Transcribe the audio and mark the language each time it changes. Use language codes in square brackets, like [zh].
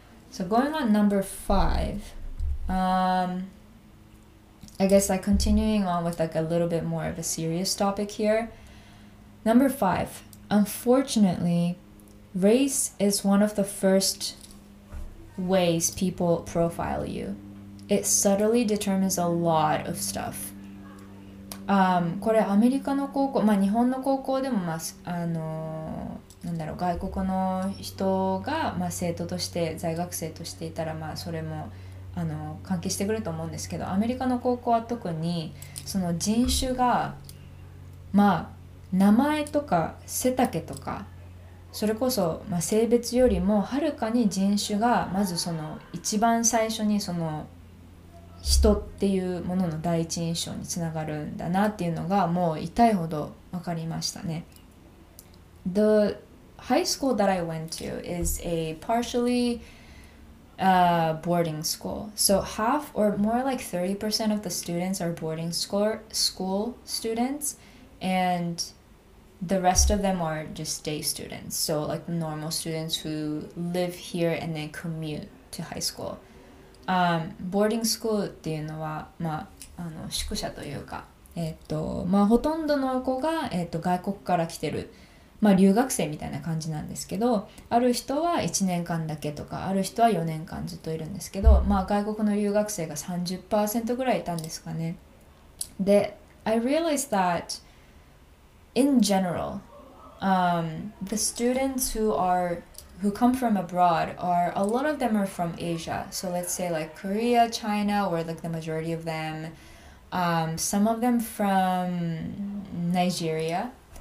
[en] So going on number five, I guess like continuing on with like a little bit more of a serious topic here. Number five, unfortunately, race is one of the first ways people profile you. It subtly determines a lot of stuff. [ja] これアメリカの高校、まあ日本の高校でも、まあ、あの、なんだろう、外国の人が、まあ、生徒として、在学生としていたら、まあ、それもあの関係してくると思うんですけど、アメリカの高校は特にその人種が、まあ、名前とか背丈とか、それこそ、まあ、性別よりもはるかに人種がまずその一番最初にその人っていうものの第一印象につながるんだなっていうのがもう痛いほど分かりましたね。 [en] The high school that I went to is a partially boarding school. So half or more like 30% of the students are boarding school students, andthe rest of them are just day students, so like normal students who live here and then commute to high school. [ja] Boarding school っていうのは、まあ、あの宿舎というか、まあ、ほとんどの子が、外国から来てる、まあ、留学生みたいな感じなんですけど、ある人は1年間だけとか、ある人は4年間ずっといるんですけど、まあ、外国の留学生が 30% ぐらいいたんですかね。 [en] で、I realized thatIn general, the students who come from abroad are, a lot of them are from Asia. So let's say like Korea, China, or like the majority of them. Some of them from Nigeria.